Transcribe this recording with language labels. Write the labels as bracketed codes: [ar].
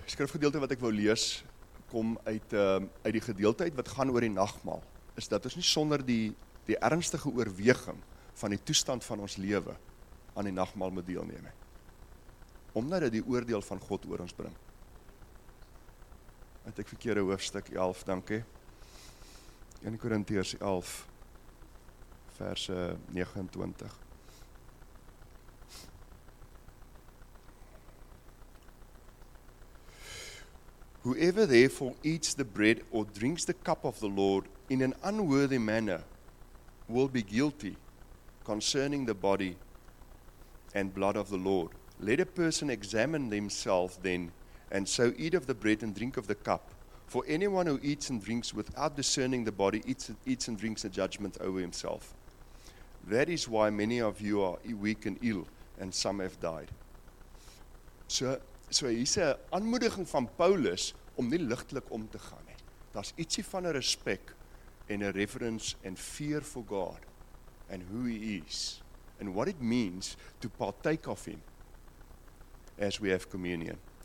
[af] Skrifgedeelte wat ek wou lees, kom uit die gedeelte uit wat gaan oor die nagmaal, is dat ons nie sonder die ernstige oorweging van die toestand van ons lewe aan die nagmaal moet deelneem. Omdat dit die oordeel van God oor ons bring. Het ek verkeerde hoofstuk 11, dankie. 1 Korintiërs 11, verse 29. [en] Whoever therefore eats the bread or drinks the cup of the Lord in an unworthy manner will be guilty concerning the body and blood of the Lord. Let a person examine themselves then, and so eat of the bread and drink of the cup. For anyone who eats and drinks without discerning the body eats and drinks a judgment over himself. That is why many of you are weak and ill, and some have died. [af] So hier's 'n aanmoediging van Paulus om nie ligtelik om te gaan nie. Daar's ietsie van 'n respek en 'n [en] reverence and fear for God and who he is and what it means to partake of him as we have communion.